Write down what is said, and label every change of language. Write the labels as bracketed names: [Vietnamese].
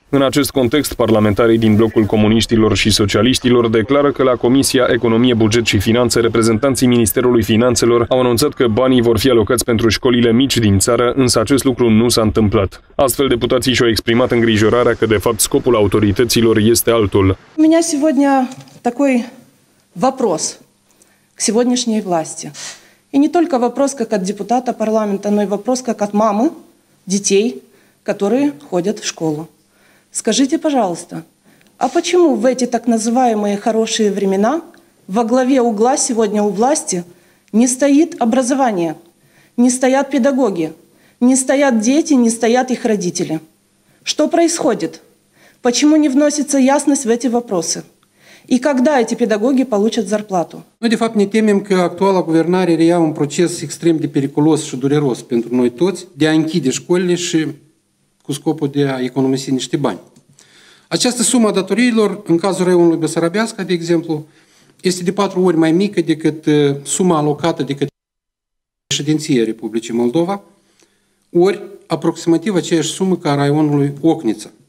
[Romanian] În acest context, parlamentarii din Blocul Comuniștilor și Socialiștilor declară că la Comisia Economie, Buget și Finanțe, reprezentanții Ministerului Finanțelor au anunțat că banii vor fi alocați pentru școlile mici din țară, însă acest lucru nu s-a întâmplat. Astfel, deputații și-au exprimat îngrijorarea că, de fapt, scopul autorităților este altul. [Russian] У меня сегодня такой вопрос к сегодняшней власти. И не только вопрос как от депутата парламента, но и вопрос как от мамы детей, которые ходят в школу. Скажите, пожалуйста, а почему в эти так называемые хорошие времена во главе угла сегодня у власти не стоит образование, не стоят педагоги, не стоят дети, не стоят их родители? Что происходит? Почему не вносится ясность в эти вопросы? И когда эти педагоги получат зарплату? [Romanian] Noi, de fapt, ne temem că actuala guvernare reia un proces extrem de periculos și dureros pentru noi toți de a închide școlile și cu scopul de a economisi niște bani. Această sumă a datoriilor, în cazul raionului Besarabiasca, de exemplu, este de 4 ori mai mică decât suma alocată de către președinția Republicii Moldova, ori aproximativ aceeași sumă ca a raionului Ocniță.